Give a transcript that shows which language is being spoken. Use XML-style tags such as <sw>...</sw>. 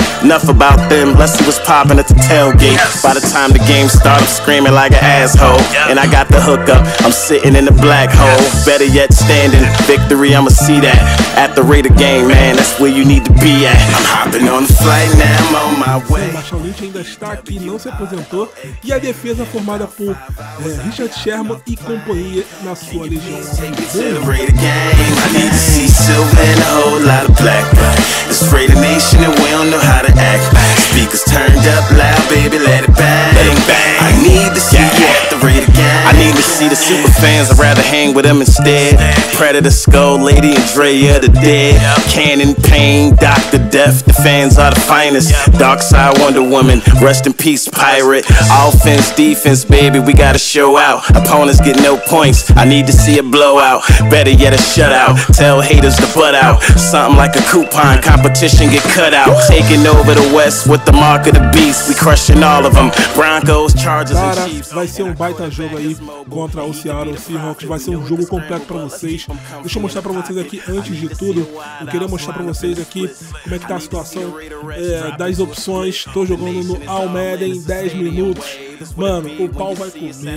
<en>Unless he was popping at the tailgate. By the time the game started, I'm screaming like an asshole. And I got the hookup, I'm sitting in the black hole. Better yet, standing. Victory, I'ma see that. At the Raider game, man, that's where you need to be at. I'm hopping on the flight now, I'm on my way.</en> <pt>O Marshall Lynch ainda está aqui, não se aposentou. E a defesa formada por Richard Sherman e companhia na sua legião.</pt> <en>To the Raider game, I need to see silver and a whole lot of black. It's Raider Nation and we don't know how to act. Speakers turned up loud, baby, let it bang. Let it bang. I need to see you at the Raider game. I need to see the super fans, I'd rather hang with them instead. Predator, Skull, Lady, Andrea, the dead. Cannon, Pain, Dr. Death, the fans are the finest. Dark Side, Wonder Woman, rest in peace, Pirate. Offense, defense, baby, we gotta show out. Opponents get no points, I need to see a blowout. Better yet, a shutout, tell haters to butt out. Something like a coupon, competition get cut out. Taking over the West with the mark of the beast. We crushing all of them, Broncos, Chargers, and Chiefs.</en> <pt>Vai ser um baita jogo aí contra o Seattle Seahawks. Vai ser um jogo completo pra vocês. Deixa eu mostrar pra vocês aqui, antes de tudo, eu queria mostrar pra vocês aqui como é que tá a situação das opções. Tô jogando no All Madden, 10 minutos. Mano, o pau vai comer.</pt>